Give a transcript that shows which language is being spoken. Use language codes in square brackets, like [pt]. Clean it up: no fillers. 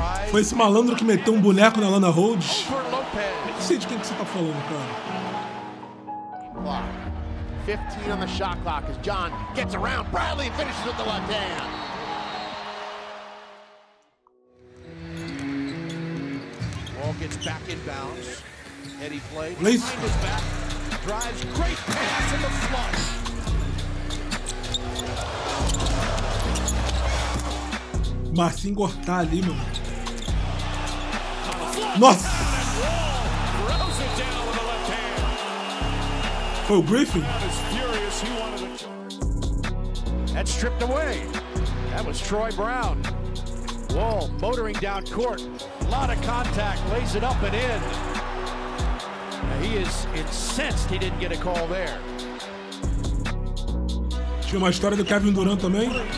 [pt] Foi esse malandro que meteu um boneco na Lana Rhodes? Não sei de quem que você tá falando, cara. [en] 15 on the shot clock as John gets around. Bradley finishes with the left hand. Wall gets back in bounds. Eddie play behind his back. Drives great pass in the flush. [pt] Marcinho cortar ali, mano. Nossa! Foi o Griffin? [en] That's stripped away. That was Troy Brown. Wall motoring down court. A lot of contact. Lays it up and in. Now he is incensed he didn't get a call there. [pt] Tinha uma história do Kevin Durant também.